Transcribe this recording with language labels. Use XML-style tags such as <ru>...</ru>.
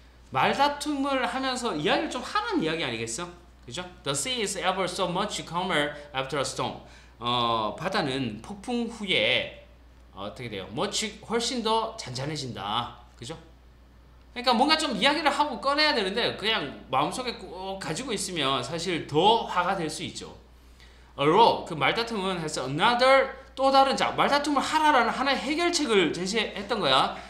<ko>말다툼을 하면서 이야기를 좀 하는 이야기 아니겠어? 그죠?</ko> <en>The sea is ever so much calmer after a storm.</en> <ko>바다는 폭풍 후에 어떻게 돼요? 훨씬 더 잔잔해진다. 그죠? 그러니까 뭔가 좀 이야기를 하고 꺼내야 되는데 그냥 마음속에 꼭 가지고 있으면 사실 더 화가 될 수 있죠. A row, 그 말다툼은 해서 another, 또 다른 자, 말다툼을 하라라는 하나의 해결책을 제시했던 거야.</ko>